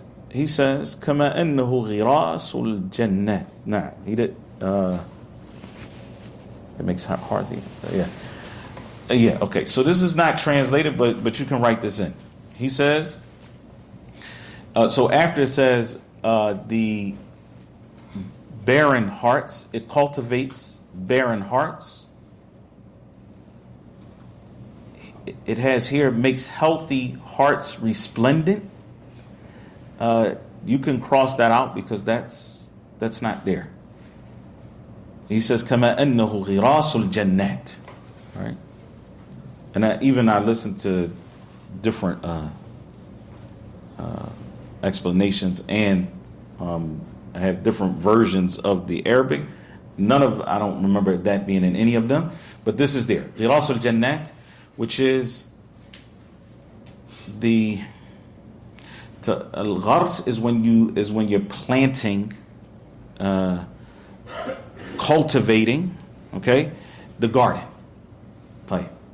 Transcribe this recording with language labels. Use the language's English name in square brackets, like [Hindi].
[Arabic] He says, كَمَا أَنَّهُ غِرَاسُ الْجَنَّةِ. [English] Nah, he did, it makes it hard to, yeah, okay. So this is not translated, but you can write this in. He says, so after it says, the barren hearts, it cultivates barren hearts. It has here, makes healthy hearts resplendent. You can cross that out because that's not there. [Arabic] He says, كَمَا أَنَّهُ غِرَاسُ الْجَنَّةِ. [English] Right? And I listened to different explanations, and I have different versions of the Arabic. I don't remember that being in any of them, but this is there. Ghiras al-Jannat, which is the al-Ghars, is when you're planting, cultivating, okay, the garden. Tell you.